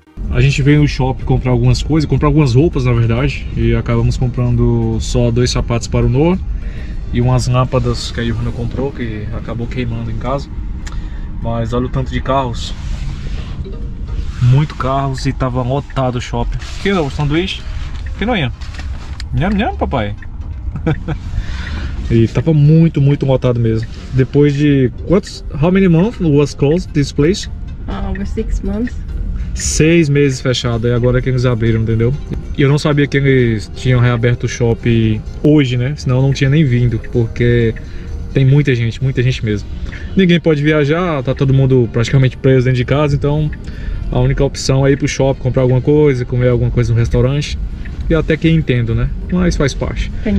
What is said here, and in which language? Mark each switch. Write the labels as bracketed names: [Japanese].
[Portuguese] A gente veio no shopping comprar algumas coisas, comprar algumas roupas na verdade, e acabamos comprando só dois sapatos para o Noah e umas lâmpadas que a Yuna comprou, que acabou queimando em casa. Mas olha o tanto de carros, muito carros, e tava lotado o shopping. Que não, sanduíche? Que não ia? Nham, nham, papai. E tava muito, muito lotado mesmo. Depois de quantos? [English] How many months was closed this place? Over 6 months. [Portuguese] 6 meses fechado, e agora é que eles abriram, entendeu? E eu não sabia que eles tinham reaberto o shopping hoje, né? Senão eu não tinha nem vindo, porque tem muita gente mesmo. Ninguém pode viajar, tá todo mundo praticamente preso dentro de casa, então a única opção é ir pro shopping, comprar alguma coisa, comer alguma coisa no restaurante. E até que entendo, né? Mas faz parte.